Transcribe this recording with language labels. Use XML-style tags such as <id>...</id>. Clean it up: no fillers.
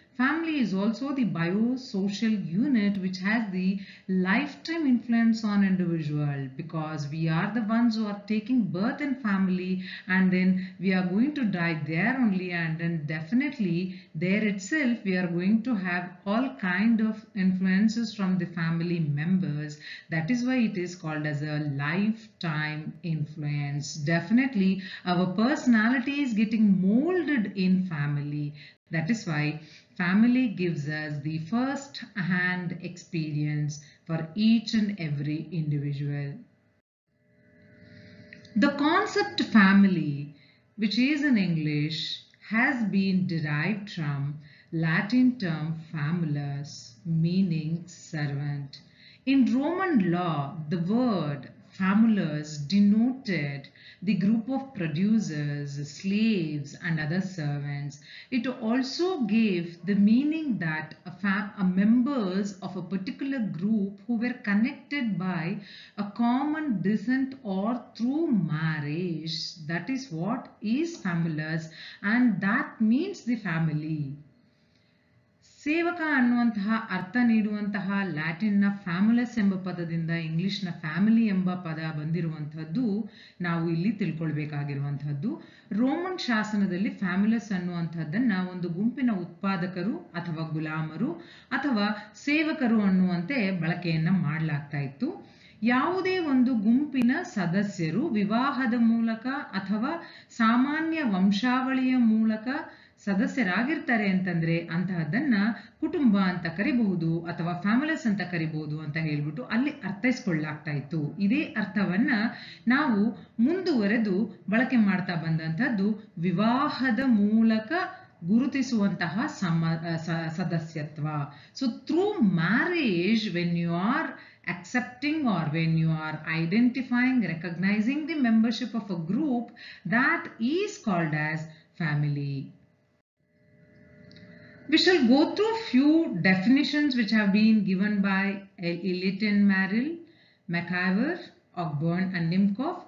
<en>Family is also the bio social unit which has the lifetime influence on individual, because we are the ones who are taking birth in family and then we are going to die there only, and then definitely there itself we are going to have all kind of influences from the family members. That is why it is called as a lifetime influence. Definitely our personality is getting moulded in family. That is why family gives us the first hand experience for each and every individual. The concept family, which is in English, has been derived from Latin term famulus, meaning servant. In Roman law, the word famulus denoted the group of producers, slaves, and other servants. It also gave the meaning that members of a particular group who were connected by a common descent or through marriage. That is what is famulus, and that means the family.</en> <kn>ಸೇವಕ ಅನ್ನುವಂತಹ ಅರ್ಥ ನೀಡುವಂತಹ ಲ್ಯಾಟಿನ್ನ ಫ್ಯಾಮುಲಸ್ ಎಂಬ ಪದದಿಂದ ಇಂಗ್ಲಿಷ್ನ family ಎಂಬ ಪದ ಬಂದಿರುವಂಥದ್ದು ನಾವು ಇಲ್ಲಿ ತಿಳ್ಕೊಳ್ಬೇಕಾಗಿರುವಂಥದ್ದು. ರೋಮನ್ ಶಾಸನದಲ್ಲಿ ಫ್ಯಾಮುಲಸ್ ಅನ್ನುವಂಥದ್ದನ್ನ ಒಂದು ಗುಂಪಿನ ಉತ್ಪಾದಕರು ಅಥವಾ ಗುಲಾಮರು ಅಥವಾ ಸೇವಕರು ಅನ್ನುವಂತೆ ಬಳಕೆಯನ್ನು ಮಾಡಲಾಗ್ತಾ ಇತ್ತು. ಯಾವುದೇ ಒಂದು ಗುಂಪಿನ ಸದಸ್ಯರು ವಿವಾಹದ ಮೂಲಕ ಅಥವಾ ಸಾಮಾನ್ಯ ವಂಶಾವಳಿಯ ಮೂಲಕ ಸದಸ್ಯರಾಗಿರ್ತಾರೆ ಅಂತಂದ್ರೆ ಅಂತಹದ್ದನ್ನ ಕುಟುಂಬ ಅಂತ ಕರಿಬಹುದು ಅಥವಾ ಫ್ಯಾಮಿಲಸ್ ಅಂತ ಕರಿಬಹುದು ಅಂತ ಹೇಳ್ಬಿಟ್ಟು ಅಲ್ಲಿ ಅರ್ಥೈಸ್ಕೊಳ್ಳಾಗ್ತಾ ಇತ್ತು. ಇದೇ ಅರ್ಥವನ್ನ ನಾವು ಮುಂದುವರೆದು ಬಳಕೆ ಮಾಡ್ತಾ ಬಂದಂತಹದ್ದು ವಿವಾಹದ ಮೂಲಕ ಗುರುತಿಸುವಂತಹ ಸದಸ್ಯತ್ವ.</kn> <en>So through marriage, when you are accepting or when you are identifying, recognizing the membership of a group, that is called as family. We shall go through few definitions which have been given by Elliott and Merrill, McIver, Ogburn and Nimkoff.</en>